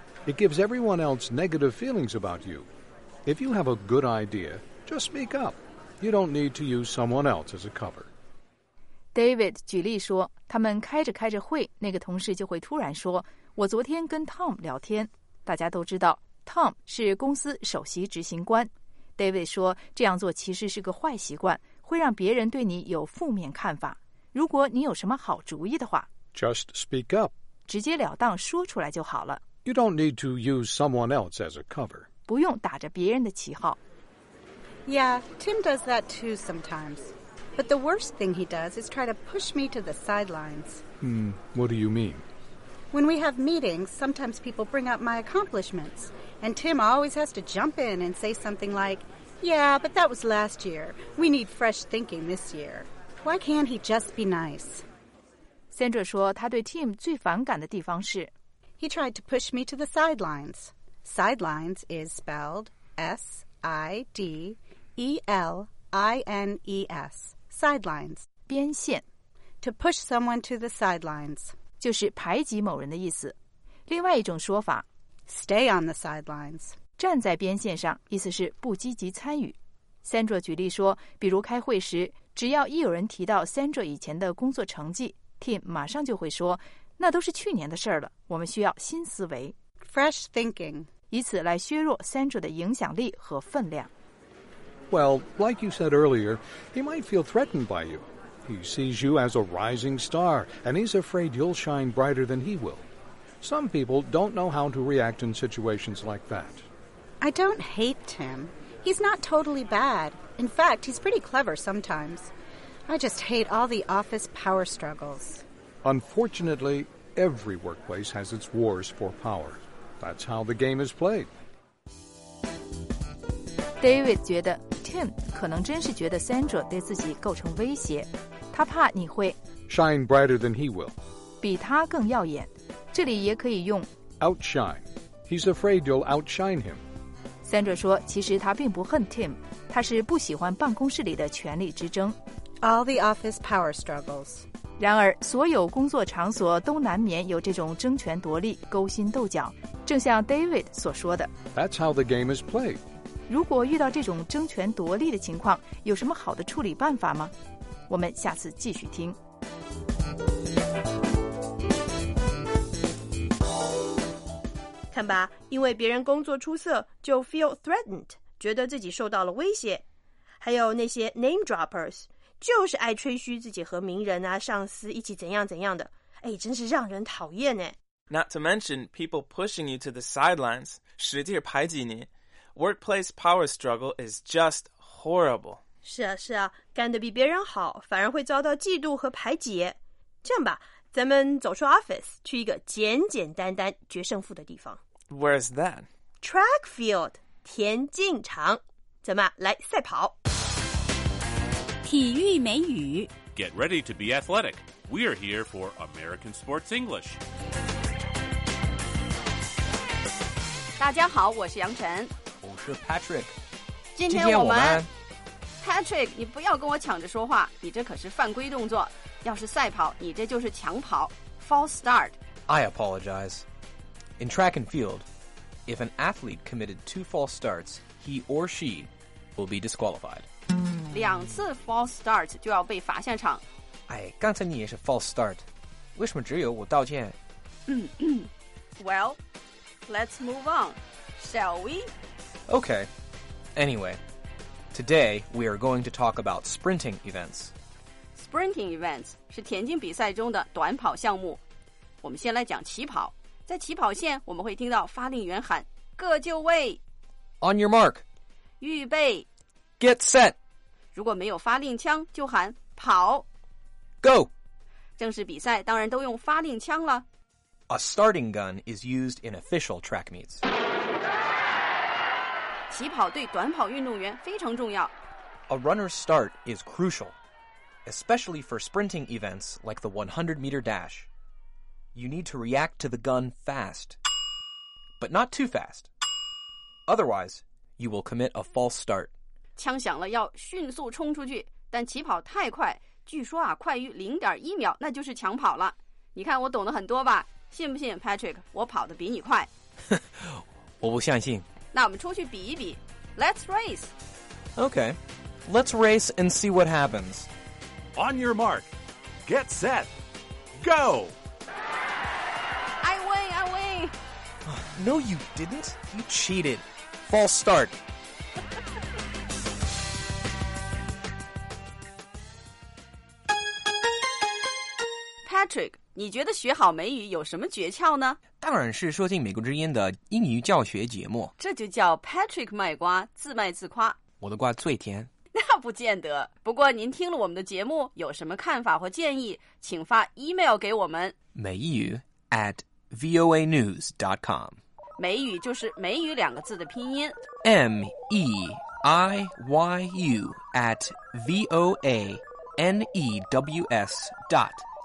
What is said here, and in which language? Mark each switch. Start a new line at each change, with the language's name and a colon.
English: It gives everyone else negative feelings about you. If you have a good idea, just speak up. You don't need to use someone else as a cover.
Chinese: David 举例说，他们开着开着会，那个同事就会突然说，我昨天跟 Tom 聊天。大家都知道 Tom 是公司首席执行官。 David 说，这样做其实是个坏习惯，会让别人对你有负面看法。如果你有什么好主意的话，
English: Just speak up.
Chinese: 直截了当说出来就好了。
English: You don't need to use someone else as a cover.
Chinese: 不用打着别人的旗号。
English: Yeah, Tim does that too sometimes. But the worst thing he does is try to push me to the sidelines. What do you mean? When we have meetings, sometimes people bring up my accomplishments. And Tim always has to jump in and say something like, Yeah, but that was last year. We need fresh thinking this year. Why can't he just be nice?
Chinese: Sandra 说她对 Tim 最反感的地方是
English: He tried to push me to the sidelines. Sidelines is spelled S-I-D-E-L-I-N-E-S, sidelines.
Chinese: 边线
English: To push someone to the sidelines.
Chinese: 就是排挤某人的意思。另外一种说法
English: Stay on the sidelines.
Chinese: 站在边线上，意思是不积极参与。Sandra 举例说，比如开会时，只要一有人提到 Sandra 以前的工作成绩， Tim 马上就会说，那都是去年的事儿了，我们需要新思维。
English: Fresh thinking.
Chinese: 以此来削弱 Sandra 的影响力和分量。
English: Well, like you said earlier, he might feel threatened by you. He sees you as a rising star, and he's afraid you'll shine brighter than he will. Some people don't know how to react in situations like that. I don't hate Tim. He's not totally bad. In fact, he's pretty clever sometimes. I just hate all the office power struggles. Unfortunately, every workplace has its wars for power. That's how the game is played.
Chinese: David 觉得 Tim 可能真是觉得 Sandra 对自己构成威胁，他怕你会
English: shine brighter than he will，
Chinese: 比他更耀眼。这里也可以用
English: outshine. He's afraid you'll outshine him.
Chinese: Sandra 说，其实他并不恨 Tim， 他是不喜欢办公室里的权力之争。
English: All the office power struggles.
Chinese: 然而，所有工作场所都难免有这种争权夺利、勾心斗角。正像 David 所说的
English: ，That's how the game is played.
Chinese: 如果遇到这种争权夺利的情况，有什么好的处理办法吗？我们下次继续听。看吧，因为别人工作出色，就
English: feel threatened，
Chinese: 觉得自己受到了威胁。还有那些
English: name droppers。
Chinese: 就是爱吹嘘自己和名人啊、上司一起怎样怎样的，哎，真是让人讨厌呢。
English: Not to mention people pushing you to the sidelines，
Chinese: 使劲排挤你。
English: Workplace power struggle is just horrible。
Chinese: 是啊，是啊，干得比别人好，反而会遭到嫉妒和排挤。这样吧，咱们走出 office， 去一个简简单单决胜负的地方。
English: Where is that？ Track field， 田径场。
Chinese: 怎么，来赛跑。体育美语
English: Get ready to be athletic. We are here for American Sports English.
Chinese: 大家好，我是杨晨。我是 Patrick. 今天我们 Patrick， 你不要跟我抢着说话，你这可是犯规动作。要是赛跑，你这就是抢跑 ，
English: false start. I apologize. In track and field, if an athlete committed two false starts, he or she will be disqualified.
Chinese: 两次
English: false start
Chinese: 就要被罚下场。哎，刚才你也是
English: false start，
Chinese: 为什么只有我道歉？
English: Well, let's move on, shall we? Okay. Anyway, today we are going to talk about sprinting events. Sprinting events
Chinese: 是田径比赛中的短跑项目。我们先来讲起跑。在起跑线，我们会听到发令员喊：“各就位。”
English: On your mark.
Chinese: 预备。
English: Get set.
Chinese: 如果没有发令枪，就喊跑
English: ，Go。
Chinese: 正式比赛当然都用发令枪了。
English: A starting gun is used in official track meets。
Chinese: 起跑对短跑运动员非常重要。
English: A runner's start is crucial, especially for sprinting events like the 100 meter dash. You need to react to the gun fast, but not too fast. Otherwise, you will commit a false start.
Chinese: 枪响了要迅速冲出去，但起跑太快，据说啊快于 0.1 秒，那就是抢跑了。你看我懂得很多吧，信不信 Patrick 我跑得比你快？我不相信。那我们出去比一比，
English: Let's race. Okay, let's race and see what happens. On your mark, get set, go. I win. No you didn't, you cheated. False start.
Chinese: Patrick， 你觉得学好美语有什么诀窍呢？当然是收听美国之音的英语教学节目。这就叫 Patrick 卖瓜，自卖自夸。我的瓜最甜。那不见得。不过您听了我们的节目，有什么看法或建议，请发 email 给我们。美语 @voanews.com。美语就是美语两个字的拼音。 MEIYU @VOANEWS.com。